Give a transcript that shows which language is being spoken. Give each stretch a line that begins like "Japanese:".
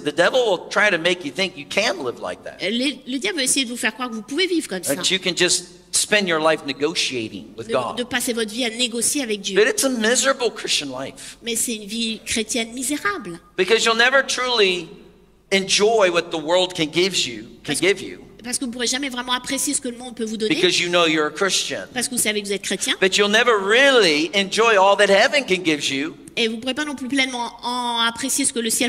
English: The devil will try to make you think you can live like that.
French: Le diable va essayer de vous faire croire que vous pouvez vivre comme ça.
English: That you can just spend your life negotiating with God.
French: De passer votre vie à négocier avec Dieu.
English: But it's a miserable Christian life.
French: Mais c'est une vie chrétienne misérable.
English: Because you'll never truly enjoy what the world can give you. Can give you.
French: Parce que vous ne pourrez jamais vraiment apprécier ce que le monde peut vous donner.
English: Because you know you're a Christian.
French: Parce que vous savez que vous êtes chrétien.
English: But you'll never really enjoy all that heaven can give you.
French: Et vous ne pourrez pas non plus pleinement en apprécier ce que le ciel